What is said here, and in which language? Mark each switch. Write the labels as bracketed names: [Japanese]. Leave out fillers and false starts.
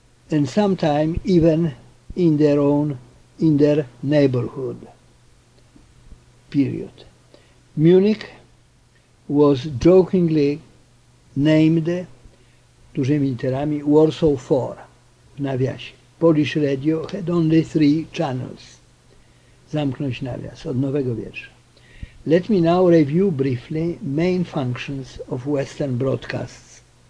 [English] And sometime even in their neighborhood. Period. Munich was jokingly named, [Polish] dużymi literami, [English] Warsaw 4, [Polish] w nawiasie. [English] Polish radio had only 3 channels. [Polish] Zamknąć nawias, od nowego wiersza. [English] Let me now review briefly main functions of Western broadcasts.